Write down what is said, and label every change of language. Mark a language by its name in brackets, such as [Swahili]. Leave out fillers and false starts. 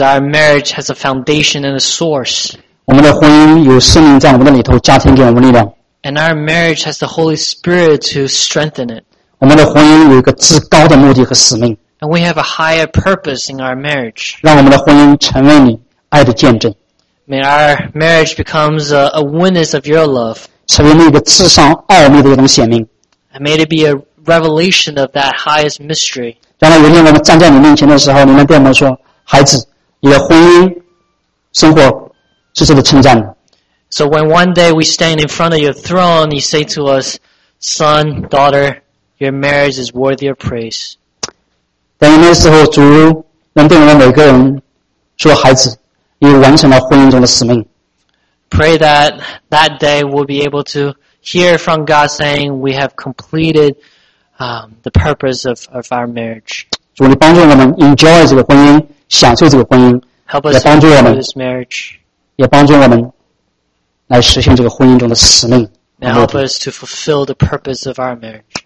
[English] our marriage has a foundation and a source. [Chinese] 我们的婚姻有圣灵在我们的里头，家庭给我们力量。 [English] And our marriage has the Holy Spirit to strengthen it. [Chinese] 我们的婚姻有一个至高的目的和使命。 [English] And we have a higher purpose in our marriage. [Chinese] 让我们的婚姻成为你爱的见证。 [English] May our marriage becomes a witness of your love. [Chinese] 成为那个至上奥秘的一种显明。 [English] May it be a revelation of that highest mystery. [Chinese] 将来有一天我们站在你面前的时候，你们对我们说， 孩子，你的婚姻生活是值得称赞的。 [English] So when one day we stand in front of your throne, you say to us, Son, daughter, your marriage is worthy of praise. [Chinese] 等那时候，主能对我们每个人说， 孩子，你完成了婚姻中的使命。 [English] Pray that that day we'll be able to hear from God saying we have completed the purpose of our marriage. [Chinese] 主，你帮助我们 enjoy 这个婚姻，享受这个婚姻， [English] Help us enjoy this marriage. [Chinese] 也帮助我们来实现这个婚姻中的使命。 [English] And help us to fulfill the purpose of our marriage.